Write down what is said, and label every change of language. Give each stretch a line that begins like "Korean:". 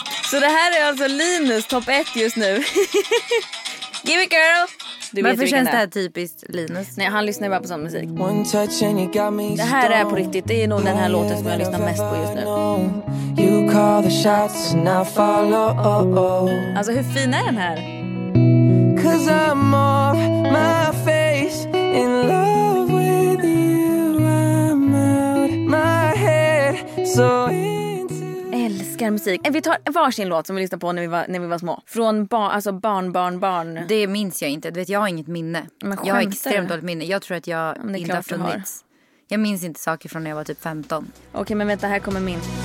Swedish: Så det här är alltså Linus topp ett just nu.
English: Give it, girl!
Swedish: Du vet varför känns det här typiskt Linus? Nej, han lyssnar bara på sån musik. Det här är på riktigt. Det är nog den här låten som jag lyssnar mest på just nu.
English: You call the shots and I follow.
Swedish: Alltså, hur fin är den här?
English: 'Cause I'm off my face. In love with you, I'm out my head, so into...
Swedish: Älskar musik. Vi tar varsin låt som vi lyssnade på när vi var små. Från barn. Det minns jag inte. Du vet, jag har inget minne. Jag har extremt dåligt minne. Jag tror att jag inte har funnits. Jag minns inte saker från när jag var typ 15. Okej, men vänta, här kommer min.